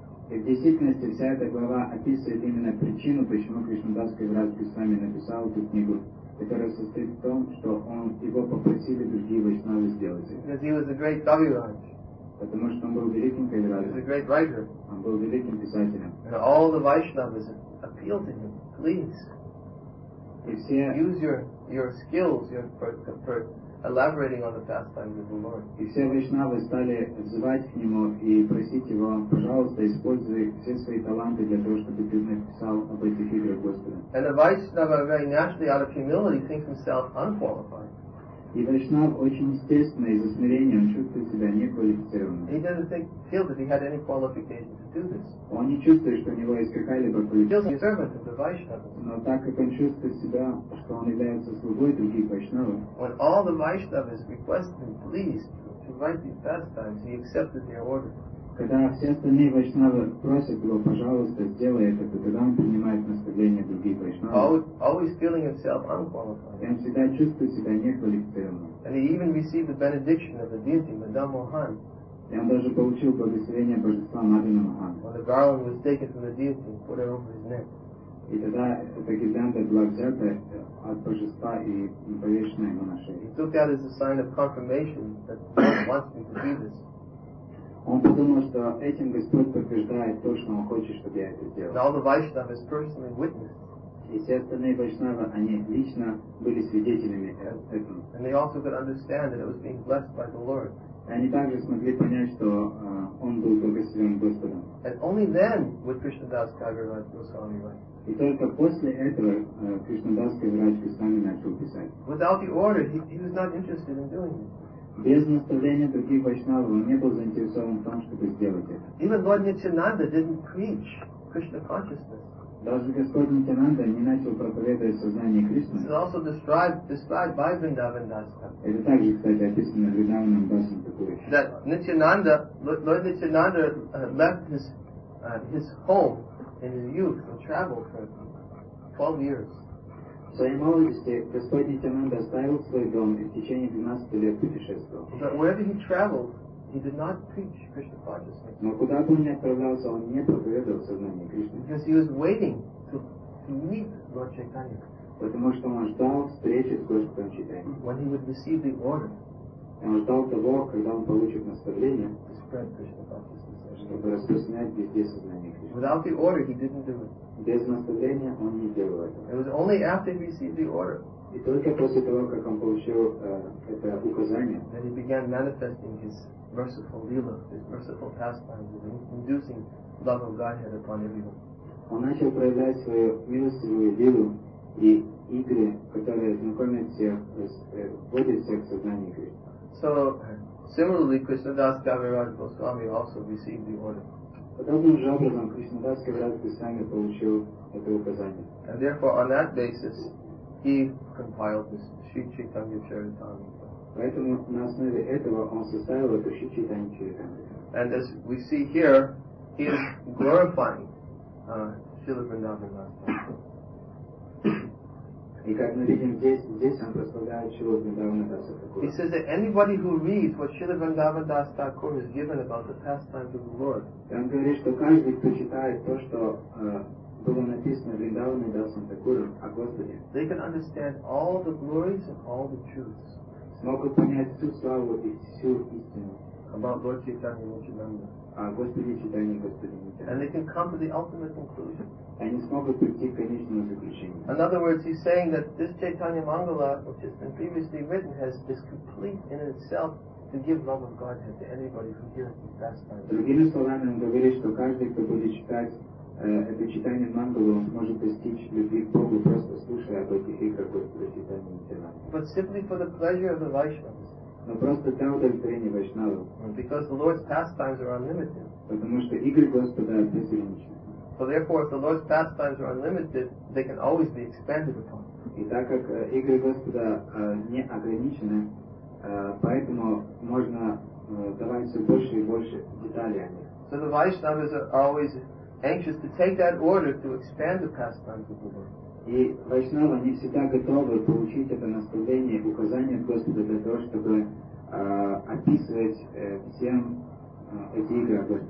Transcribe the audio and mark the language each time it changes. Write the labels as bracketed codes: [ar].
[ru] В действительности вся эта глава описывает именно причину, почему Кришна Дас Кавирадж Госвами написал эту книгу, которая состоит в том, что он его попросили другие вайшнавы сделать. [en] Because he was a great Kaviraj. [ru] Потому что он был великим Кавираджем. [en] He was a great writer. [ru] Он был великим писателем. [en] And all the Vaishnavas appealed to him, please. Use your skills, your elaborating on the pastimes of the Lord. [ru] И все вайшнавы стали звать к нему и просить его, пожалуйста, используй все свои таланты для того, чтобы ты написал об этих играх Господа. [en] And a Vaishnava very naturally, out of humility, thinks himself unqualified. [ru] И вайшнав очень естественно из-за смирения, он чувствует себя неквалифицированным. [en] He doesn't feel that he had any qualification to do this. [ru] Он не чувствует, что у него есть какая-либо квалификация. [en] He's a servant of the Vaishnava. [ru] Но так как он чувствует себя, что он является слугой других вайшнавы. [en] When all the Vaishnavas requested him, please, to write these pastimes, he accepted their order. [ru] Когда все остальные вайшнавы просят его, пожалуйста, сделай это, то тогда он принимает наставления других вайшнавы. И он всегда чувствует себя неквалифицированным. [en] And he even received the benediction of the deity, Madam Mohan. [ru] И он даже получил благословение божества Мадхана Мохан. [en] When the garland was taken from the deity and put it over his neck. [ru] И тогда эта гирлянда была взята от божества и повешена ему на шею. [en] He took that as a sign of confirmation that God wants me to do this. [ru] Он подумал, что этим Господь подтверждает то, что он хочет, чтобы я это сделал. [en] Now the Vaishnava is personally witnessed. [ru] И все остальные Вайшнавы, они лично были свидетелями этому. [en] And they also could understand that it was being blessed by the Lord. [ru] И они также смогли понять, что он был благословен Господом. [en] And only then would Krishna Das Kaviraj Goswami write. [ru] И только после этого Кришна Дас Кавирадж Госвами начал писать. [en] Without the order, he was not interested in doing it. [ru] Без наставления других вайшнавов он не был заинтересован в том, чтобы сделать это. [en] Even Lord Nityananda didn't preach Krishna consciousness. [ru] Даже Господь Нитянанда не начал проповедовать сознание Кришны. [en] This is also described by Vrindavan Das Thakur. [ru] Это также, кстати, описано Vrindavanam Das Thakur. [en] That Nityananda, Lord Nityananda left his home in his youth and traveled for 12 years. [ru] В своей молодости Господь Нитянанда оставил свой дом и в течение 12 лет путешествовал. [en] But wherever he traveled, he did not preach Krishna consciousness. [ru] Но куда бы он ни отправлялся, он не проповедовал сознание Кришны. [en] Because he was waiting to meet Lord Chaitanya. [ru] Потому что он ждал встречи с Господом Чайтаньей. [en] When he would receive the order. [ru] И он ждал того, когда он получит наставление. [en] To spread Krishna consciousness. [ru] Чтобы распространять везде сознание Кришны. [en] Without the order, he didn't do it. [ru] Без наставления он не делал это. [en] It was only after he received the order. [ru] И только после того, как он получил это указание, [en] that he began manifesting his merciful lila, this merciful pastime of inducing love of Godhead upon everyone. [ru] Он начал проявлять свою милостивую лилу и игры, которые знакомят всех, вводят всех в сознание игры. [en] So, similarly, Krishnadas Kaviraj Goswami also received the order. [ru] Подобным же образом, Кришнадас Кавираджа Госвами получил это указание. [en] And therefore, on that basis, he compiled this Sri Chaitanya Charitamrita. [ru] Поэтому на основе этого он составил эту Sri Chaitanya Charitamrita. [en] And as we see here, he is glorifying Śrīla Vṛndāvana Das. [ru] И как мы видим здесь он прославляет Śrīla Vṛndāvana Das. [en] He says that anybody who reads what Śrīla Vṛndāvana Das Thakur has given about the pastimes of the Lord. [ru] И он говорит, что каждый, кто читает то, что было написано Vṛndāvana Dasam Thakur о Господе, [en] they can understand all the glories and all the truths. [ru] Смогут понять всю славу и всю истину. [en] About Lord Chaitanya Mahāprabhu. [ru] Господи Читания, Господи Нитя. [en] And they can come to the ultimate conclusion. [ru] Они смогут прийти к конечному заключению. [en] In other words, he's saying that this Chaitanya Mangala, which has been previously written, has is complete in itself to give love of Godhead to anybody who hears the pastime. [ru] Другими словами, он говорит, что каждый, кто будет читать это Читание Мангалу, он сможет достичь любви к Богу, просто слушая об этих играх Господа Читания Нитя. [en] But simply for the pleasure of the Vaishnavas. [ru] Но просто для удовлетворения вайшнавов. [en] Because the Lord's pastimes are unlimited. [ru] Потому что игры Господа безграничны. [en] So therefore, if the Lord's pastimes are unlimited, they can always be expanded upon. [ru] И так как игры Господа не ограничены, поэтому можно давать все больше и больше деталей о них. [en] So the vaishnavas are always anxious to take that order to expand the pastimes of the Lord. [ru] И вайшнавы, они всегда готовы получить это наставление, указание от Господа для того, чтобы описывать всем эти игры о